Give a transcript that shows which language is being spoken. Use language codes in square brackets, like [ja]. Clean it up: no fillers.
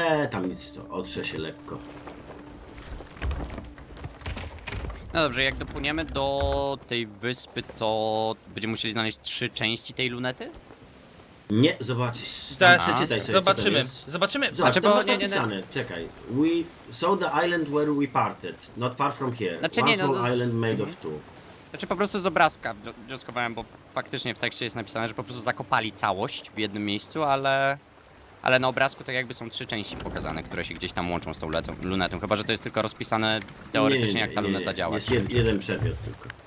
[pl] Tam nic, to otrze się lekko. No dobrze, jak dopłyniemy do tej wyspy, to będziemy musieli znaleźć trzy części tej lunety? Nie, zobaczysz. Przeczytaj sobie, zobaczymy, co to jest. Zobaczymy. Znaczy, tam jest napisane, czekaj. [en] We saw the island where we parted, not far from here. [pl] Znaczy, [en] one [pl] nie, [en] small [pl] no, [en] island made of two. [pl] Znaczy po prostu z obrazka wnioskowałem, bo faktycznie w tekście jest napisane, że po prostu zakopali całość w jednym miejscu, ale... Ale na obrazku tak jakby są trzy części pokazane, które się gdzieś tam łączą z tą lunetą. Chyba, że to jest tylko rozpisane teoretycznie, nie, jak ta luneta działa. Jest jeden przedmiot tylko.